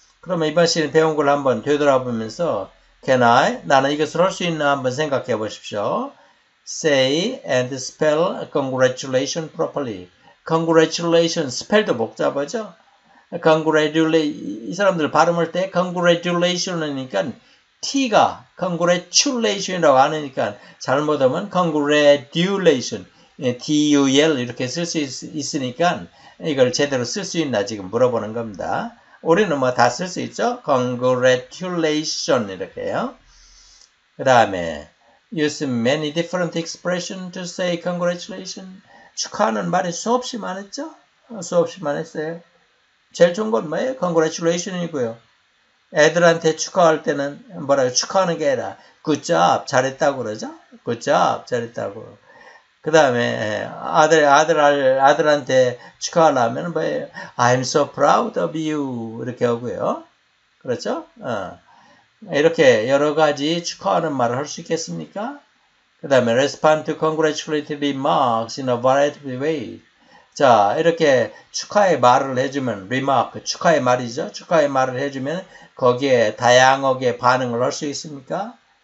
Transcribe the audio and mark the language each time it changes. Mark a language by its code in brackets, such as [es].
[ko] 그러면 이번 시간에 배운 걸 한번 되돌아보면서, [en] Can I? [ko] 나는 이것을 할수 있나? 한번 생각해 보십시오. [en] Say and spell congratulations properly. [ko] Congratulations. 스펠도 복잡하죠? Congratulate 이 사람들 발음할 때 congratulation이니까 T가 congratulation이라고 안 하니까 잘못하면 congratulation, DUL 이렇게 쓸수 있으니까 이걸 제대로 쓸수 있나 지금 물어보는 겁니다. 우리는 뭐다쓸수 있죠? Congratulation 이렇게요. 그 다음에 [en] use many different expressions to say congratulation. [ko] 축하하는 말이 수없이 많았죠? 수없이 많았어요. 제일 좋은 건 뭐예요? Congratulation이고요. 애들한테 축하할 때는 뭐라고 축하하는 게 아니라 [en] Good job, [ko] 잘했다고 그러죠? [en] 굿잡 [ko] 잘했다고. 그 다음에 아들한테 축하하려면 뭐예요? [en] I'm so proud of you [ko] 이렇게 하고요. 그렇죠? 이렇게 여러 가지 축하하는 말을 할수 있겠습니까? 그 다음에 [en] respond to congratulatory remarks in a variety of ways. [ko] 자, 이렇게 축하의 말을 해주면 remark 축하의 말이죠. 축하의 말을 해주면 거기에 다양하게 반응을 할수 있습니까?